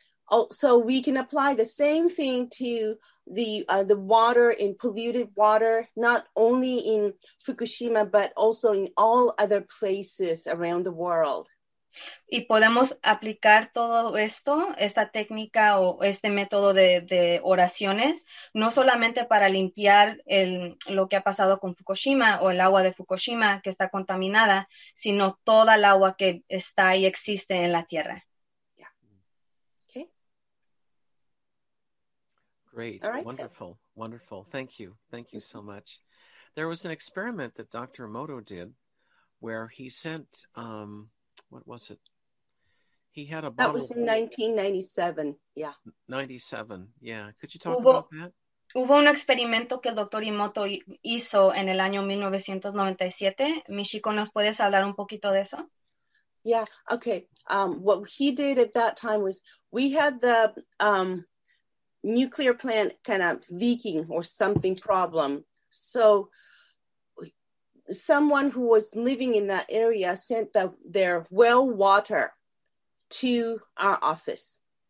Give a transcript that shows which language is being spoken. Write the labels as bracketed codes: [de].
[en] Oh, so we can apply the same thing to the water, in polluted water, not only in Fukushima, but also in all other places around the world. [es] Y podemos aplicar todo esto, esta técnica o este método de oraciones, no solamente para limpiar lo que ha pasado con Fukushima o el agua de Fukushima que está contaminada, sino toda el agua que está y existe en la tierra. [en] Great. All right. Wonderful. Wonderful. Thank you. Thank you so much. There was an experiment that Dr. Emoto did where he sent, what was it? He had a bottle. That was in 1997. Yeah. 97. Yeah. Could you talk about that? [es] Hubo un experimento que el Dr. Emoto hizo en el año 1997. Michiko, ¿nos puedes hablar un poquito de eso? [en] Yeah. Okay. What he did at that time was we had the nuclear plant kind of leaking or something problem. So someone who was living in that area sent their well water to our office.